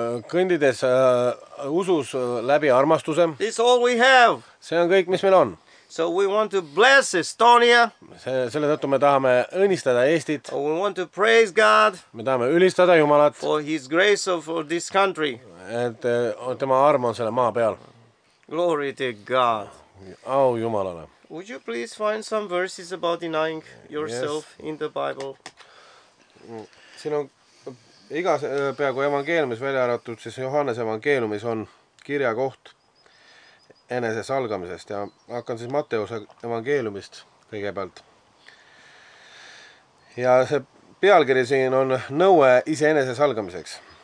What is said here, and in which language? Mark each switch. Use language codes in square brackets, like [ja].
[et] Kõndides usus läbi armastuse. [en] It's all we have. [et] See on kõik, mis meil on. [en] So we want to bless Estonia. [et] Selle tõttu me tahame õnnistada Eestit. [en] We want to praise God. [et] Me tahame ülistada Jumalat. [en] For his grace for this country. [et] Et tema arm on selle maa peal. [en] Glory to God. [et] Au Jumalale. [en] Would you please find some verses about denying yourself, yes, in the Bible? [et] Siin on igas peaaegu evangeelumis välja arvatud, siis Johannes evangeelumis on kirja koht enese salgamisest. Ja hakkan siis Matteuse evangeelumist kõigepealt. Ja see pealkiri siin on nõue ise enese salgamiseks.